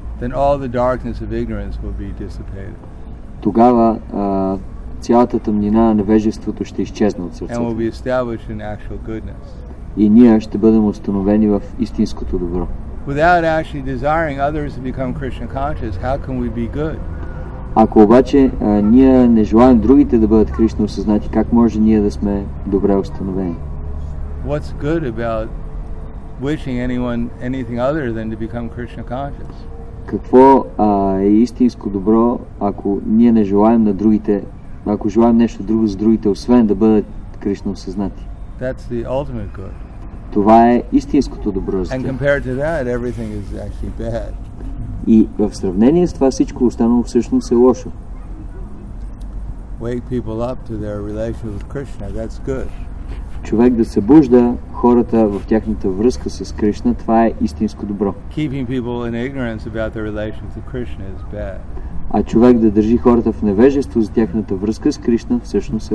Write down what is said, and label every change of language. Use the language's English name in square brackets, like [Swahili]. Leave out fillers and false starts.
[English] then all the darkness of ignorance will be dissipated. [Bulgarian] Tugava цялата тъмнина на невежеството ще изчезне от сърцето. [English] And we'll be established in actual goodness. [Bulgarian] И ние ще бъдем установени в истинското добро. [English] Without actually desiring others to become Krishna conscious, how can we be good? [Bulgarian] Ако обаче ние не желаем другите да бъдат Кришна осъзнати, как може ние да сме добре установени? [English] What's good about wishing anyone anything other than to become Krishna conscious? [Bulgarian] Какво е истинско добро, ако ние не желаем на другите, ако желаем нещо друго за другите, освен да бъдат Кришна осъзнати? [English] That's the ultimate good. [Bulgarian] Това е истинското добро за тях. [English] And compared to that, everything is actually bad. [Bulgarian] И в сравнение с това всичко останало всъщност е лошо. [English] Wake people up to their relationship with Krishna, that's good. [Bulgarian] Човек да събужда хората в тяхната връзка с Кришна, това е истинско добро. [English] Keeping people in ignorance about their relationship with Krishna is bad. [Bulgarian] А човек да държи хората в невежество за тяхната връзка с Кришна, всъщност е